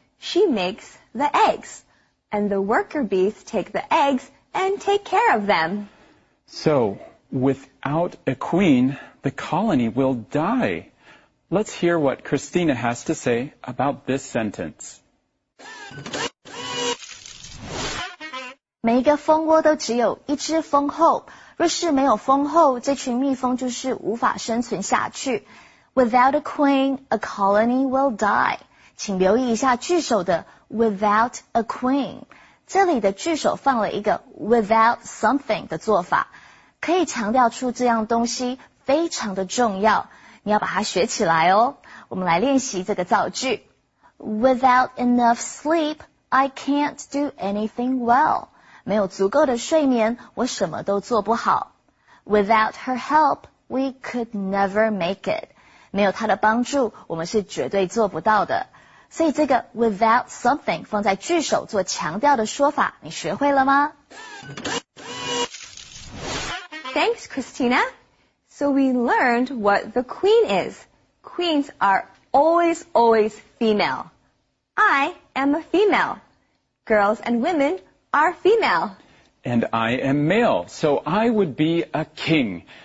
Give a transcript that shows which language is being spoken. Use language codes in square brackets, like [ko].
[en] She makes the eggs. And the worker bees take the eggs and take care of them. So without a queen... The colony will die. Let's hear what Christina has to say about this sentence. [zh] 每一个蜂窝都只有一只蜂后，若是没有蜂后，这群蜜蜂就是无法生存下去。 [en] Without a queen, a colony will die. [zh] 请留意一下句首的 [en] without a queen. [zh] 这里的句首放了一个 [en] without something [zh] 的做法，可以强调出这样东西非常的重要，你要把它学起来哦。我们来练习这个造句。 [en] Without enough sleep, I can't do anything well. [zh] 没有足够的睡眠，我什么都做不好。 [en] Without her help, we could never make it. [zh] 没有她的帮助，我们是绝对做不到的。所以这个 [en] without something [zh] 放在句首做强调的说法，你学会了吗？ [en] Thanks, Christina. So we learned what the queen is. Queens are always, always female. I am a female. Girls and women are female. And I am male, so I would be a king.